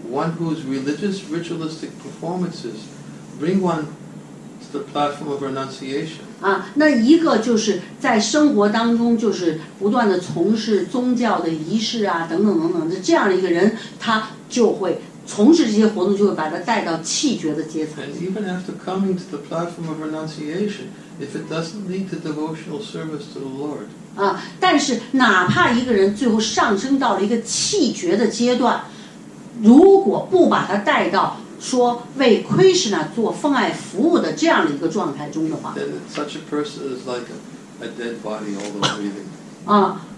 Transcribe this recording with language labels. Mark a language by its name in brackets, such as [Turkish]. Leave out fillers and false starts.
[English] One whose religious ritualistic performances bring one to the platform of renunciation. [Chinese] 那一个就是在生活当中就是不断的从事宗教的仪式啊等等等等的这样的一个人，他就会从事这些活动，就会把他带到弃绝的阶层。 [English] And even after coming to the platform of renunciation, if it doesn't lead to devotional service to the Lord, [Chinese] 但是哪怕一个人最后上升到了一个弃绝的阶段，如果不把他带到说为 Krishna 做奉爱服务的这样的一个状态中的话 [English] ，then such a person is like a dead body, although breathing.